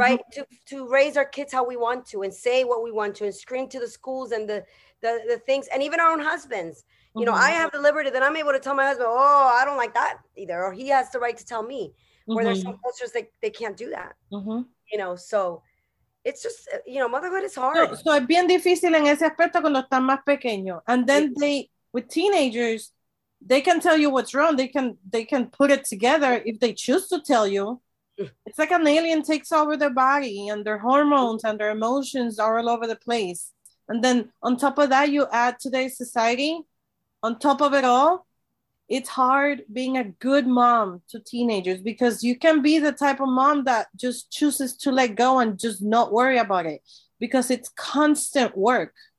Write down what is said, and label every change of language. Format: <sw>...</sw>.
<en>Right, to raise our kids how we want to and say what we want to and scream to the schools and the things, and even our own husbands. You mm-hmm. know, I have the liberty that I'm able to tell my husband, oh, I don't like that either, or he has the right to tell me. Mm-hmm. Where there's some cultures that they can't do that. Mm-hmm. You know, so it's just, you know, motherhood is hard.</en> <es>So es bien difícil en ese aspecto cuando están más pequeños.</es> <en>And then they, with teenagers, they can tell you what's wrong. They can put it together if they choose to tell you. It's like an alien takes over their body, and their hormones and their emotions are all over the place. And then on top of that, you add today's society. On top of it all, it's hard being a good mom to teenagers, because you can be the type of mom that just chooses to let go and just not worry about it, because it's constant work.</en>